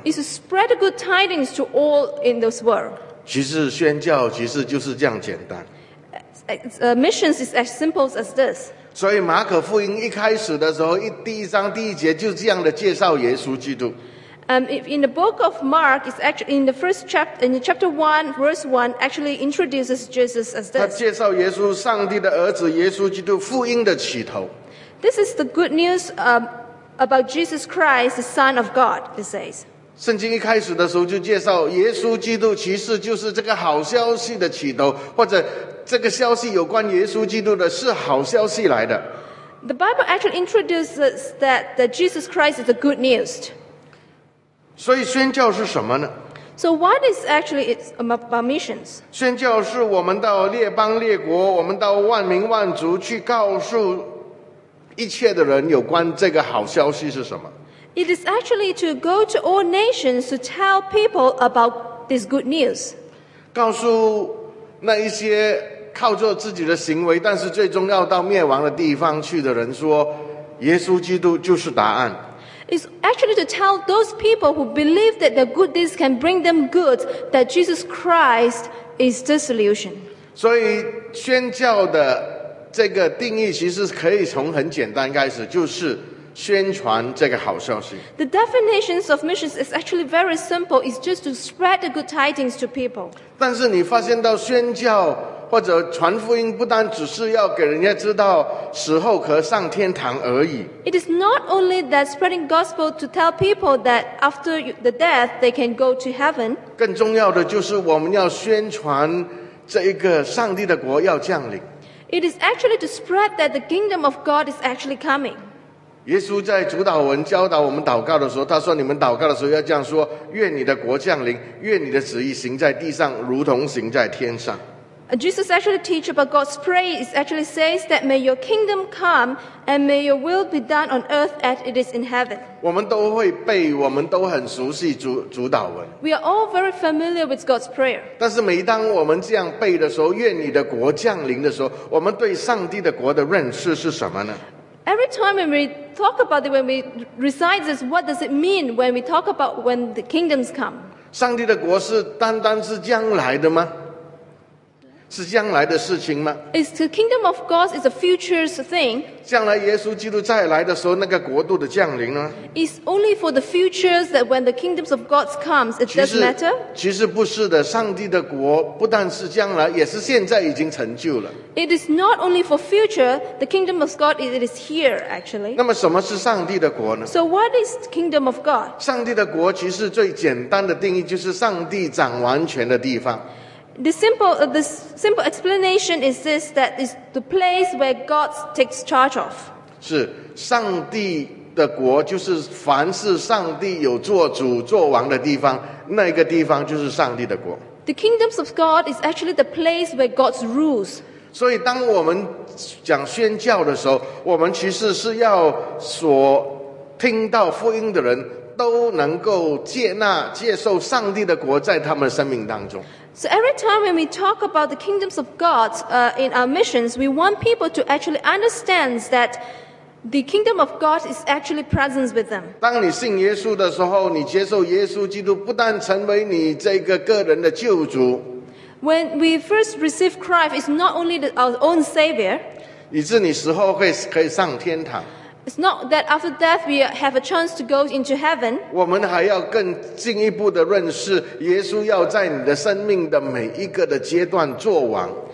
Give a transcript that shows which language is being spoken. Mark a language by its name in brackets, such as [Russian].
[English] It's to spread the good tidings to all in this world. [Chinese] 其实宣教其实就是这样简单。 [English] Missions is as simple as this. [Chinese] 所以马可福音一开始的时候，第一章第一节就这样的介绍耶稣基督。 [English] In the book of Mark, it's actually in the first chapter, in chapter 1, verse 1, actually introduces Jesus as this. [Chinese] 他介绍耶稣，上帝的儿子耶稣基督，福音的起头。 [English] This is the good news about Jesus Christ, the Son of God, he says. [Chinese] 圣经一开始的时候就介绍耶稣基督其实就是这个好消息的起头，或者这个消息有关耶稣基督的是好消息来的。 [English] The Bible actually introduces that Jesus Christ is the good news. [Chinese] 所以宣教是什么呢？ [English] So what is actually it's about missions? [Chinese] 宣教是我们到列邦列国，我们到万民万族去告诉一切的人有关这个好消息是什么。 [English] It is actually to go to all nations to tell people about this good news. [Chinese] 告诉那一些靠着自己的行为，但是最终要到灭亡的地方去的人说，耶稣基督就是答案。 [English] It's actually to tell those people who believe that their good deeds can bring them good, that Jesus Christ is the solution. [Chinese] 所以宣教的这个定义其实可以从很简单开始，就是宣传这个好消息。 [English] The definitions of missions is actually very simple. It's just to spread the good tidings to people. [Chinese] 但是你发现到宣教或者传福音不单只是要给人家知道死后可上天堂而已。 [English] It is not only that spreading gospel to tell people that after the death they can go to heaven. [Chinese] 更重要的就是我们要宣传这一个上帝的国要降临。 [English] It is actually to spread that the kingdom of God is actually coming. [Chinese] 耶稣在主导文教导我们祷告的时候，他说你们祷告的时候要这样说，愿你的国降临，愿你的旨意行在地上如同行在天上。 [English] Jesus actually teach about God's prayer. It actually says that may your kingdom come and may your will be done on earth as it is in heaven. [Chinese] 我们都会背，我们都很熟悉 主导文。 [English] We are all very familiar with God's prayer. [Chinese] 但是每当我们这样背的时候，愿你的国降临的时候，我们对上帝的国的认识是什么呢？ [English] Every time when we talk about it, when we recite this, what does it mean when we talk about when the kingdoms come? [Chinese] 上帝的国是单单是将来的吗？是将来的事情吗？ [English] Is the kingdom of God is a future thing? [Chinese] 将来耶稣基督再来的时候，那个国度的降临呢？ [English] Is only for the futures that when the kingdoms of God comes, it doesn't matter? [Chinese] 其实不是的，上帝的国不但是将来，也是现在已经成就了。 [English] It is not only for future, the kingdom of God it is here actually. [Chinese] 那么什么是上帝的国呢？ [English] So what is the kingdom of God? [Chinese] 上帝的国其实最简单的定义就是上帝掌完全的地方。 [English] The simple explanation is this, that is the place where God takes charge of. [Chinese] 是上帝的国就是凡是上帝有做主做王的地方，那个地方就是上帝的国。 [English] The kingdoms of God is actually the place where God rules. [Chinese] 所以当我们讲宣教的时候，我们其实是要所听到福音的人都能够接纳接受上帝的国在他们生命当中。 [English] So every time when we talk about the kingdoms of God in our missions, we want people to actually understand that the kingdom of God is actually present with them. [Chinese] 当你信耶稣的时候，你接受耶稣基督不但成为你这个个人的救主。 [English] When we first receive Christ, it's not only our own Savior. [Chinese] 以致你死后可以上天堂。 [English] It's not that after death we have a chance to go into heaven. [Chinese] 我们还要更进一步的认识耶稣要在你的生命的每一个的阶段作王。